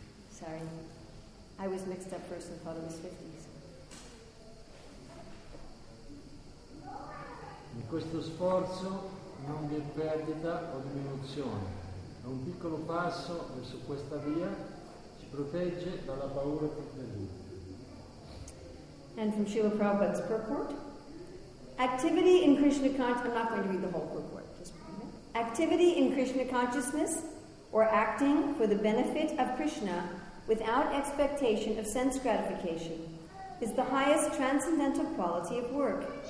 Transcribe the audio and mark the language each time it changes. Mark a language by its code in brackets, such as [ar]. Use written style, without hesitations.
[en] Sorry. I was mixed up first and thought it was 50. [it] In questo sforzo non vi è perdita o diminuzione. È un piccolo passo verso questa via. Protegge dalla paura più terribile. [en] And from Srila Prabhupada's purport. Activity in Krishna consciousness. I'm not going to read the whole purport, just a minute. Activity in Krishna consciousness, or acting for the benefit of Krishna without expectation of sense gratification, is the highest transcendental quality of work.